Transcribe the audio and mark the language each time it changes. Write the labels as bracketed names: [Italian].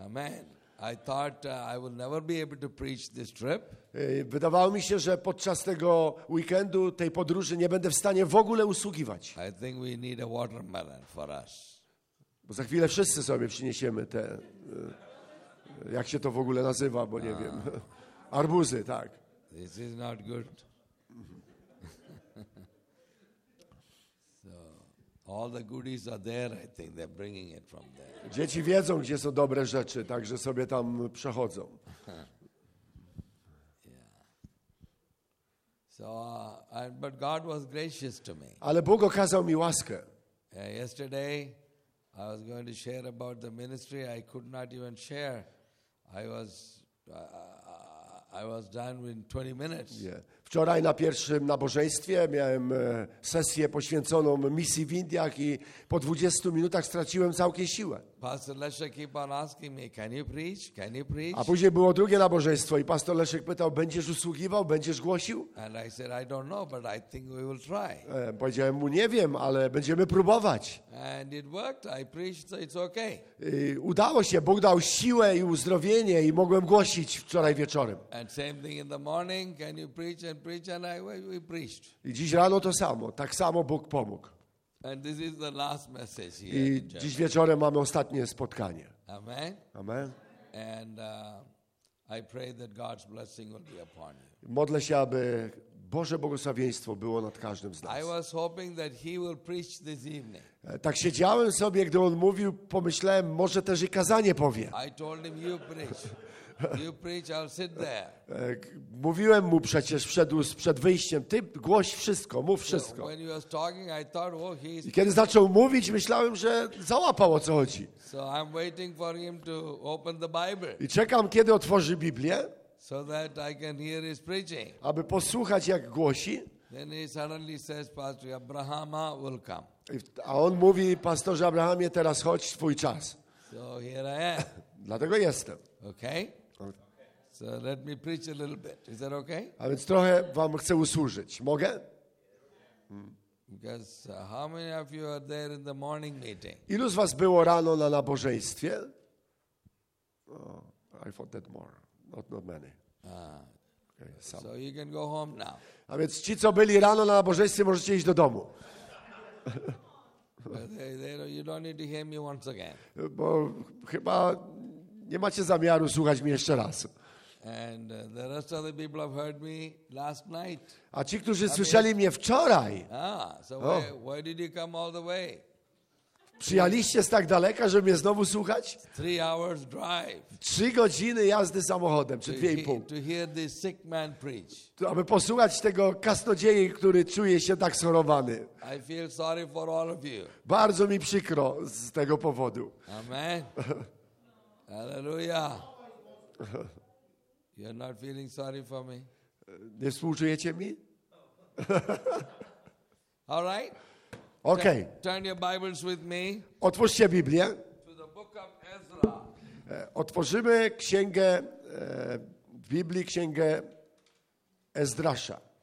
[English] Amen. I thought I will never be able to preach this trip. [Polish] Wydawało mi się, że podczas tego weekendu, tej podróży, nie będę w stanie w ogóle usługiwać. [English] I think we need a watermelon for us. [Polish] Bo za chwilę wszyscy sobie przyniesiemy te, jak się to w ogóle nazywa, bo nie wiem, arbuzy, tak. [English] This is not good. So all the goodies are there, I think they're bringing it from there. [Polish] Dzieci wiedzą, gdzie są dobre rzeczy, także sobie tam przechodzą. [English] So, but God was gracious to me. [Polish] Ale Bóg okazał mi łaskę. [English] Yesterday. I was going to share about the ministry. I could not even share. I was done in 20 minutes. Yeah. [Polish] Wczoraj na pierwszym nabożeństwie miałem sesję poświęconą misji w Indiach i po 20 minutach straciłem całkiem siłę. [English] Pastor Leszek keep on asking me, can you preach? Can you preach? [Polish] A później było drugie nabożeństwo i pastor Leszek pytał, będziesz usługiwał, będziesz głosił? [English] And I said, I don't know, but I think we will try. [Polish] Powiedziałem mu, nie wiem, ale będziemy próbować. [English] And it worked. I preached, so it's okay. [Polish] Udało się, Bóg dał siłę i uzdrowienie i mogłem głosić wczoraj wieczorem. [English] And same thing in the morning, can you preach? Preach and we preached. [Polish] I dziś rano to samo, tak samo Bóg pomógł. [English] And this is the last message here. [Polish] I dziś wieczorem mamy ostatnie spotkanie. [English] Amen. Amen. And I pray that God's blessing will be upon you. [Polish] Modlę się, aby Boże błogosławieństwo było nad każdym z nas. [English] I was hoping that he will preach this evening. [Polish] Tak siedziałem sobie, gdy on mówił, pomyślałem, może też i kazanie powie. [English] I told him, you preach. You preach, I'll sit there. [Polish] Mówiłem mu przecież przed wyjściem, ty głoś wszystko, mów wszystko. [English] When he was talking, I thought, oh, he's... [Polish] I kiedy zaczął mówić, myślałem, że załapał, o co chodzi. [English] So I'm waiting for him to open the Bible. [Polish] I czekam, kiedy otworzy Biblię, [English] so that I can hear his preaching. [Polish] Aby posłuchać, jak głosi. [English] Then he suddenly says, Pastor Abrahama will come. [Polish] A on mówi, pastorze Abrahamie, teraz chodź, twój czas. [English] So here I am. [Polish] Dlatego jestem. [English] Okay. So let me preach a little bit. Is that okay? [Polish] A więc trochę wam chcę usłużyć. Mogę? [English] Because how many of you are there in the morning meeting? [Polish] Ilu z was było rano na nabożeństwie? [English] Oh, I thought that more. Not many. Okay, some. So you can go home now. [Polish] A więc ci, co byli rano na nabożeństwie, możecie iść do domu. [English] You don't need to hear me once again. [Polish] Bo chyba nie macie zamiaru słuchać mnie jeszcze raz. [English] And the rest of the people have heard me last night. [Polish] A ci, którzy słyszeli mnie wczoraj. [English] So why did you come all the way? [Polish] Przyjechaliście z tak daleka, żeby mnie znowu słuchać? [English] 3 hours drive. [Polish] 3 godziny jazdy samochodem, czy 2,5. [English] To hear this sick man preach. [Polish] Aby posłuchać tego kasnodziei, który czuje się tak schorowany. [English] I feel sorry for all of you. [Polish] Bardzo mi przykro z tego powodu. [English] Amen. Hallelujah. You're not feeling sorry for me? [Polish] Nie współczujecie mi? [English] All right. Okay. Turn your Bibles with me. [Polish] Otwórzcie Biblię. [English] To the book of Ezra. [Polish] Otworzymy księgę w Biblii, księgę Ezdrasza.